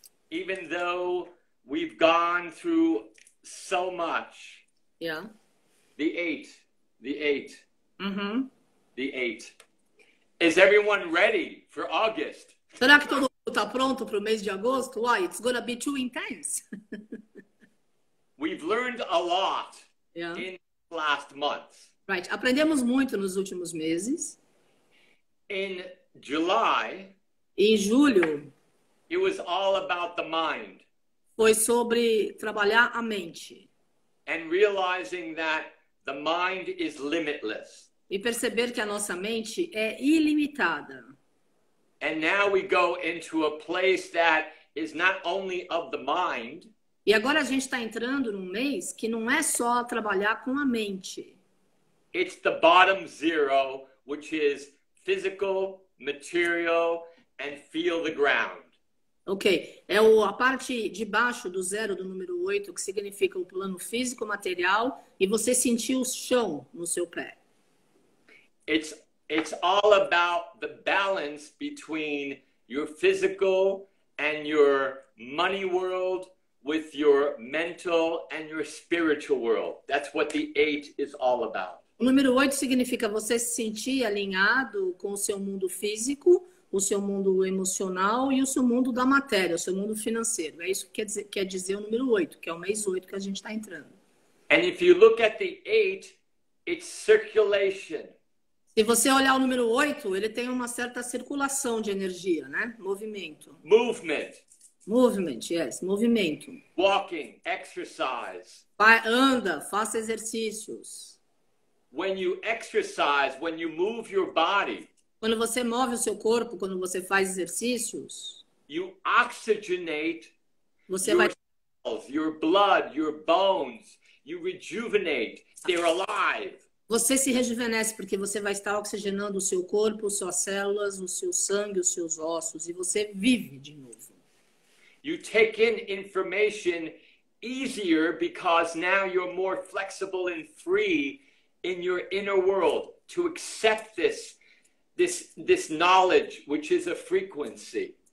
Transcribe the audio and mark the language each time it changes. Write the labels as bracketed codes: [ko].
[en] Even though we've gone through so much, the eight. Is everyone ready for August? [pt] Será que todo mundo está pronto para o mês de agosto? [en] Why? It's gonna be too intense. We've learned a lot Yeah. in last month. [pt] Right. Aprendemos muito nos últimos meses. [en] In July, [pt] Em julho, [en] it was all about the mind [pt] foi sobre trabalhar a mente. [en] and realizing that the mind is limitless. [pt] E perceber que a nossa mente é ilimitada. [en] And now we go into a place that is not only of the mind, [pt] E agora a gente está entrando num mês que não é só trabalhar com a mente. [en] it's the bottom zero, which is physical, material, and feel the ground. [pt] Ok, é a parte de baixo do zero do número 8, que significa o plano físico, material, e você sentir o chão no seu pé. [en] It's all about the balance between your physical and your money world with your mental and your spiritual world. That's what the eight is all about. [pt] O número 8 significa você se sentir alinhado com o seu mundo físico, o seu mundo emocional e o seu mundo da matéria, o seu mundo financeiro. É isso que quer dizer o número 8, que é o mês 8 que a gente está entrando. [en] And if you look at the eight, it's circulation. [pt] Se você olhar o número 8, ele tem uma certa circulação de energia, né? Movimento. [en] Movement, Movement, yes, movimento. walking, exercise. [pt] Vai, anda, faça exercícios. [en] When you exercise, when you move your body, [pt] Quando você move o seu corpo, quando você faz exercícios, [en] you oxygenate [pt] você vai. [en] your cells, your blood, your bones. You rejuvenate, they're alive. [pt] Você se rejuvenesce porque você vai estar oxigenando o seu corpo, suas células, o seu sangue, os seus ossos, e você vive de novo. [en] You take in information easier because now you're more flexible and free in your inner world to accept this knowledge, which is a frequency.